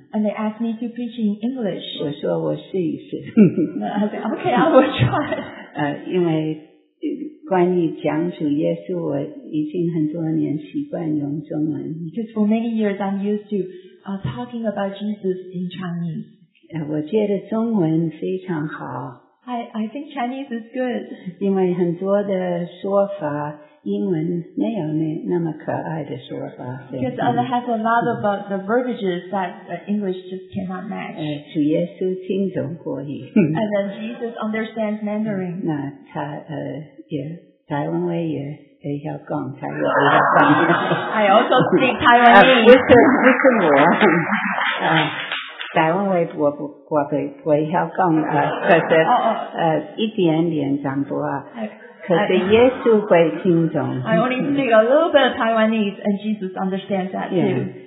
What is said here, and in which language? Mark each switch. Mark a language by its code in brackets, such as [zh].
[en] And they asked me to preach in English. [zh] 我说我试一试。 [en] Okay, I will try. [zh] 因为关于讲主耶稣，我已经很多年习惯用中文。 [en] Because for many years I'm used to talking about Jesus in Chinese. [zh] 我觉得中文非常好。 [en] I think Chinese is good. [zh] 因为很多的说法，英文没有那么可爱的说法。 [en] Because I have a lot of the verbiages that English just cannot match. [zh] 主耶稣听懂国语。 [en] And then Jesus understands Mandarin. [zh] 那他也台湾话也比较讲，他也比较讲。 [en] I also speak Taiwanese. Listen, 我。 [zh] 台湾话我不要讲可是一点点讲不啊，可是耶稣会听懂。 [en] I only speak a little bit of Taiwanese, and Jesus understands that too.